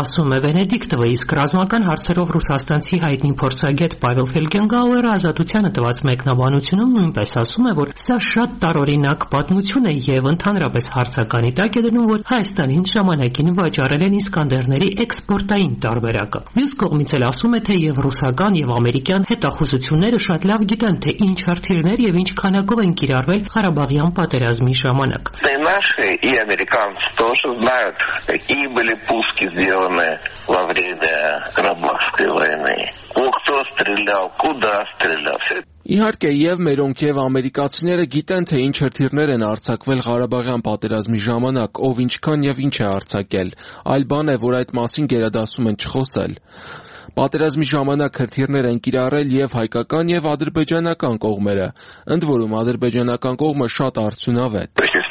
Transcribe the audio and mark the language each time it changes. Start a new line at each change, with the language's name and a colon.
Armenian: Ասում է Վենեդիկտովը, իսկ ռազմական հարցերով ռուսաստանցի հայտնի փորձագետ Պավել Ֆելգենգաուերը ազատությանը տված մեկնաբանությունում նույնպես ասում է, որ սա շատ տարօրինակ պատմություն է եւ ընդհանրապես հարցականի տակ է դնում, որ Հայաստանին ժամանակին վաճառել են Իսկանդերների էքսպորտային տարբերակը։ Մյուս կողմից ասում է, թե և ռուսական և ամերիկյան հետախուզությունները շատ լավ գիտեն, թե ինչ հրթիռներ և ինչ քանակով են կիրառվել Ղարաբաղյան պատերազմի ժամանակ։
Russian: Наши и американцы тоже знают, какие были пуски сделаны во время Карабахской войны. Кто стрелял, куда стрелял.
Armenian: Իհարկե, եւ մերոնք եւ ամերիկացիները գիտեն, թե ինչ հրթիռներ են արձակվել Ղարաբաղյան պատերազմի ժամանակ, ով ինչքան եւ ինչ է արձակել։ Այլ բան է, որ այդ մասին գերադասում են չխոսել։ Պատերազմի ժամանակ հրթիռներ են կիրառել եւ հայկական եւ ադրբեջանական կողմերը։ Ընդ որում ադրբեջանական կողմը շատ արդյունավետ։